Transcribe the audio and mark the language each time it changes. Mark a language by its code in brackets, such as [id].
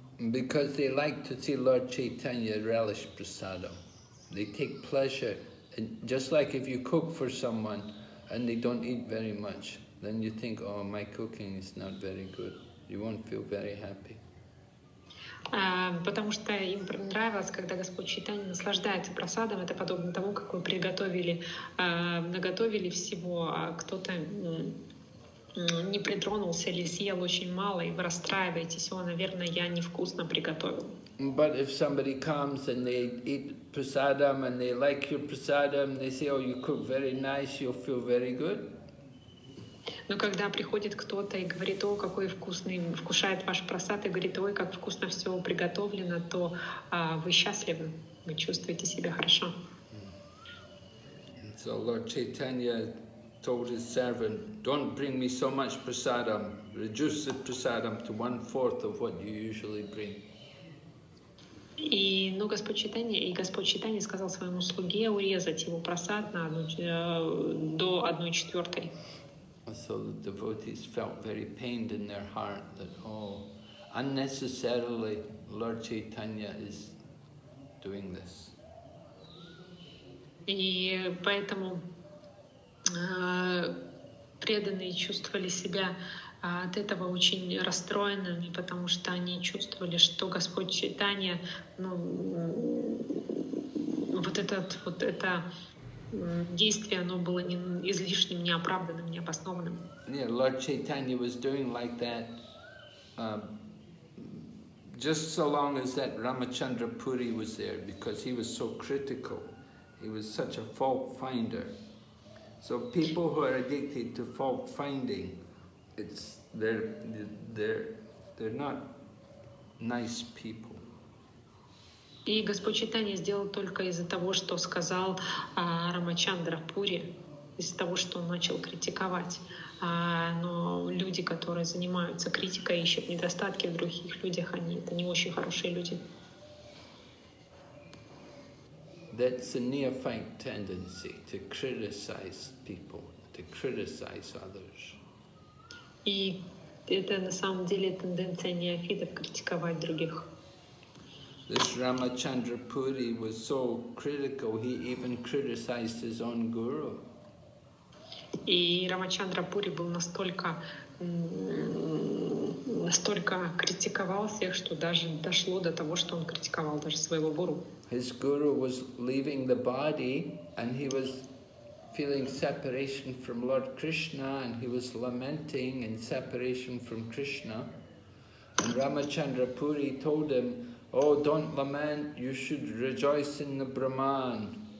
[en] Because they like to see Lord Chaitanya relish prasadam. They take pleasure. And just like if you cook for someone and they don't eat very much, then you think, oh, my cooking is not very good. You won't feel very happy. [ru] Потому что им нравилось, когда Господь Чайтанья наслаждается прасадом. Это подобно тому, как мы приготовили, наготовили всего, а кто-то не притронулся или съел очень мало, и вы расстраиваетесь, о, наверное, я невкусно приготовил. [en] But if somebody comes and they eat prasadam and they like your prasadam, they say, oh, you cook very nice, you'll feel very good. [ru] Но когда приходит кто-то и говорит, о, какой вкусный, вкушает ваш просад, и говорит, ой, как вкусно все приготовлено, то вы счастливы, вы чувствуете себя хорошо. [en] So Lord Chaitanya told his servant, don't bring me so much prasadam, reduce the prasadam to 1/4 of what you usually bring. [ru] И, ну, Господь Читания сказал своему слуге урезать его просад на до 1/4. [en] So the devotees felt very pained in their heart that, oh, unnecessarily Lord Chaitanya is doing this. [ru] И поэтому преданные чувствовали себя от этого очень расстроенными, потому что они чувствовали, что Господь Читания, ну, вот этот вот это действие, оно было не излишним, неоправданным, необоснованным. [en] Yeah, Lord Chaitanya was doing like that just so long as that Ramachandra Puri was there, because he was so critical, he was such a fault finder. So people who are addicted to fault finding, it's they're not nice people. [ru] И Господь Читания сделал только из-за того, что сказал Рамачандра Пури, из-за того, что он начал критиковать. Но люди, которые занимаются критикой, ищут недостатки в других людях, они это не очень хорошие люди. [en] That's a neophyte tendency to criticize people, to criticize others. [ru] И это на самом деле тенденция неофитов критиковать других. [en] This Ramachandra Puri was so critical, he even criticized his own guru. [ru] И Рамачандра Пури был настолько критиковал всех, что даже дошло до того, что он критиковал даже своего гуру. [en] His guru was leaving the body, and he was feeling separation from Lord Krishna, and he was lamenting in separation from Krishna. And Ramachandra Puri told him, oh, don't lament, you should rejoice in the Brahman.